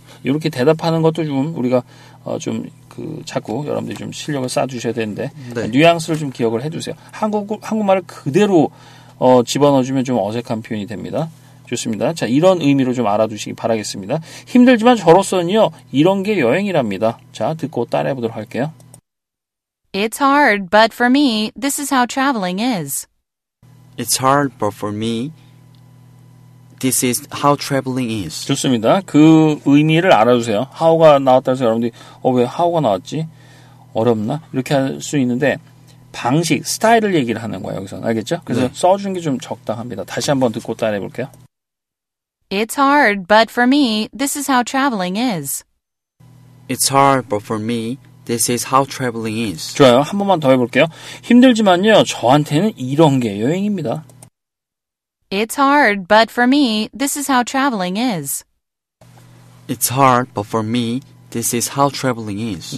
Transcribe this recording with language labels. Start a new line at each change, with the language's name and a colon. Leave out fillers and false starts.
Korean: 이렇게 대답하는 것도 좀 우리가 좀 자꾸 여러분들이 좀 실력을 쌓아주셔야 되는데 네. 뉘앙스를 좀 기억을 해두세요. 한국말을 그대로 집어넣어주면 좀 어색한 표현이 됩니다. 좋습니다. 자, 이런 의미로 좀 알아두시기 바라겠습니다. 힘들지만 저로서는요. 이런 게 여행이랍니다. 자, 듣고 따라해보도록 할게요.
English: It's hard, but for me, this is how traveling is. It's hard, but for me, this is how traveling is.
Korean: 좋습니다. 그 의미를 알아두세요. How가 나왔다 해서 여러분들이 왜 How가 나왔지? 어렵나? 이렇게 할 수 있는데 방식, 스타일을 얘기를 하는 거예요. 여기서는. 알겠죠? 그래서 네. 써준 게 좀 적당합니다. 다시 한번 듣고 따라해볼게요.
English: It's hard, but for me, this is how traveling is. It's hard, but for me, this is how traveling is.
Korean: 좋아요. 한 번만 더 해볼게요. 힘들지만요, 저한테는 이런 게 여행입니다.
English: It's hard, but for me, this is how traveling is. It's hard, but for me, this is how traveling is.